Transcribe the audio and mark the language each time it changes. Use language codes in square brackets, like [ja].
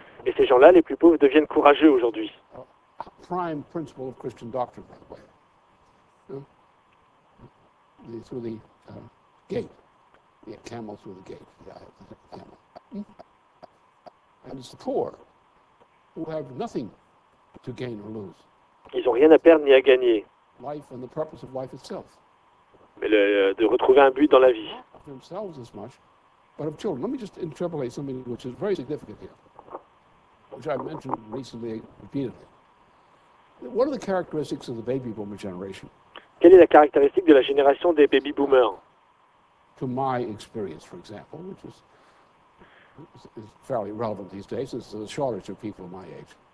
[fr] Et ces gens-là, les plus pauvres, deviennent courageux aujourd'hui. Ils n'ont rien à perdre ni à gagner. [en] Life and the purpose of life itself. [fr] Mais le, de retrouver un but dans la vie. [en] Not themselves as much, but of children. Let me just interpolate something which is very significant here, which I mentioned recently repeatedly. What are the characteristics of the baby boomer generation? [fr] Quelle est la caractéristique de la génération des baby boomers? [en] To my experience, for example, which is fairly relevant these days, is the shortage of people my age.